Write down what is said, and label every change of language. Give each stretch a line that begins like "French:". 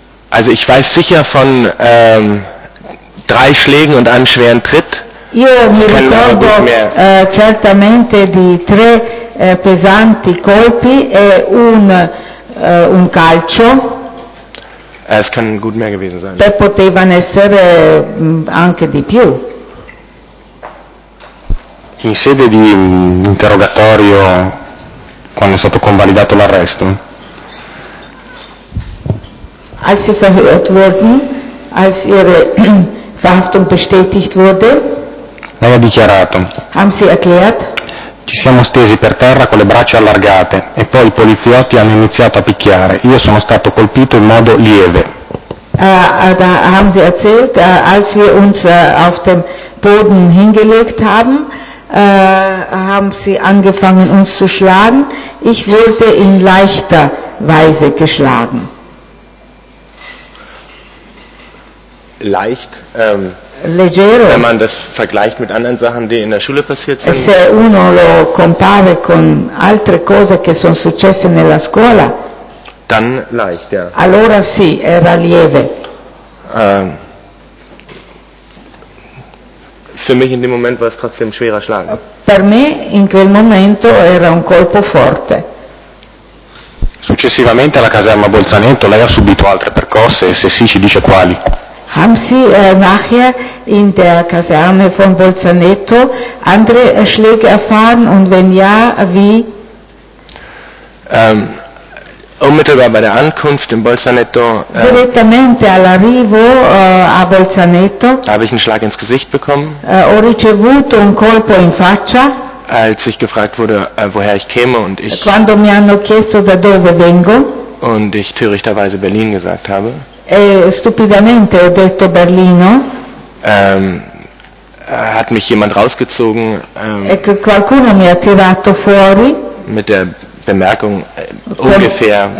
German: Also ich weiß sicher von drei Schlägen und einem schweren Tritt.
Italian: Io mi ricordo certamente di tre pesanti colpi e un calcio.
German: Es kann gut mehr gewesen sein.
Italian: Te potevano essere anche di più. In sede di interrogatorio, quando è stato convalidato l'arresto?
German: Als sie verhört wurden, als ihre Verhaftung bestätigt wurde.
Italian: Lei ha dichiarato.
German: Haben Sie erklärt?
Italian: Ci siamo stesi per terra con le braccia allargate e poi i poliziotti hanno iniziato a picchiare. Io sono stato colpito in modo lieve.
German: Da haben Sie erzählt, als wir uns auf dem Boden hingelegt haben, haben Sie angefangen uns zu schlagen. Ich wurde in leichter Weise geschlagen. Leicht?
Italian: Leggero.
German: Wenn man das vergleicht mit anderen Sachen, die in der Schule passiert sind.
Italian: Se uno lo compare con altre cose che sono successe nella scuola.
German: Dann leicht, ja.
Italian: Allora sì, era lieve.
German: Für mich in dem Moment war es trotzdem schwerer Schlag.
Italian: Per me in quel momento era un colpo forte. Successivamente alla caserma Bolzaneto lei ha subito altre percosse, se sì ci dice quali.
German: Haben Sie nachher in der Kaserne von Bolzaneto andere Schläge erfahren und wenn ja, wie? Unmittelbar bei der Ankunft in Bolzaneto.
Italian: Direttamente all'arrivo a Bolzaneto.
German: Habe ich einen Schlag ins Gesicht bekommen?
Italian: Ho ricevuto un colpo in faccia.
German: Als ich gefragt wurde, woher ich käme und ich.
Italian: Quando mi hanno chiesto da dove vengo.
German: Und ich törichterweise Berlin gesagt habe.
Italian: E stupidamente ho detto Berlino.
German: Hat mich jemand rausgezogen.
Italian: E qualcuno mi ha tirato fuori.
German: Mit der Bemerkung ungefähr.